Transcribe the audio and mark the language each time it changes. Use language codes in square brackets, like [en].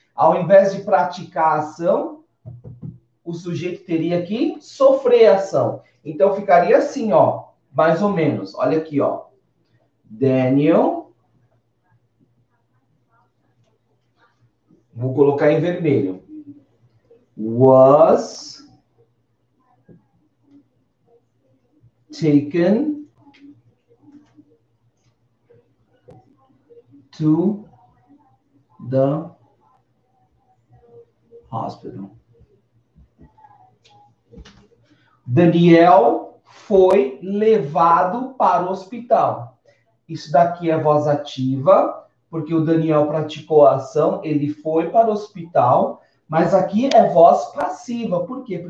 [pt] Ao invés de praticar a ação, o sujeito teria que sofrer a ação. Então, ficaria assim, ó, mais ou menos. Olha aqui, ó. Daniel. Vou colocar em vermelho. [en] Was taken to the hospital. [pt] Daniel foi levado para o hospital. Isso daqui é voz ativa, porque o Daniel praticou a ação, ele foi para o hospital, mas aqui é voz passiva. Por quê?